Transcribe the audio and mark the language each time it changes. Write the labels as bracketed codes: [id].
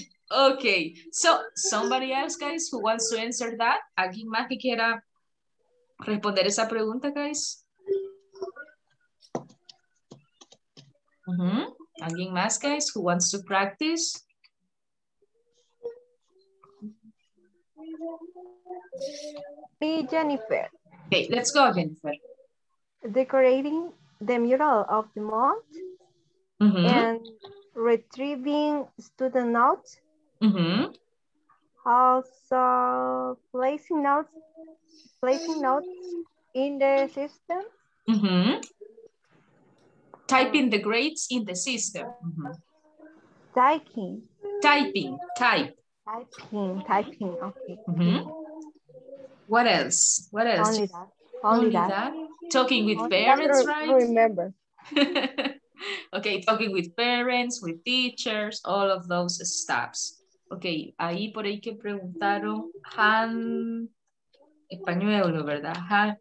[en] Okay, so somebody else, guys, who wants to answer that? [es] ¿Alguien más que quiera responder esa pregunta, guys? [en] Mm-hmm. [es] ¿Alguien más, [en] guys, who wants to practice? Me, Jennifer. Okay, let's go, Jennifer. Decorating the mural of the month, mm-hmm. and retrieving student notes. Mm-hmm. Also placing notes in the system. Mm-hmm. Typing the grades in the system. Mm-hmm. Typing. Okay. Mm-hmm. What else? Only that. Talking with parents, right? Remember. Okay, talking with parents, with teachers, all of those steps. [es] Okay, ahí por ahí que preguntaron hand, español, ¿verdad?